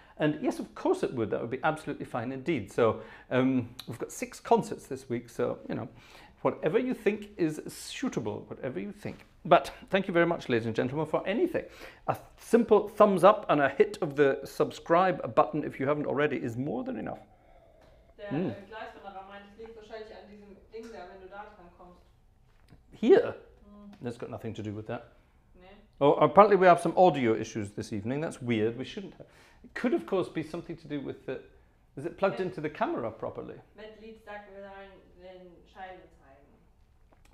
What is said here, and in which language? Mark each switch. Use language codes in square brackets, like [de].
[en] And yes, of course it would. That would be absolutely fine indeed. So we've got 6 concerts this week. So, you know, whatever you think is suitable, whatever you think. But thank you very much, ladies and gentlemen, for anything. A simple thumbs up and a hit of the subscribe button, if you haven't already, is more than enough. [de] Der Gleiswanderer meint, es liegt wahrscheinlich an diesem Ding da, wenn du da dran kommst. [en] Here? Mm. That's got nothing to do with that. [de] Nee. [en] Oh, apparently we have some audio issues this evening. That's weird. We shouldn't have. It could, of course, be something to do with the... Is it plugged into the camera properly? [de] Matt Leach sagt, wir sollen den Shiloh zeigen.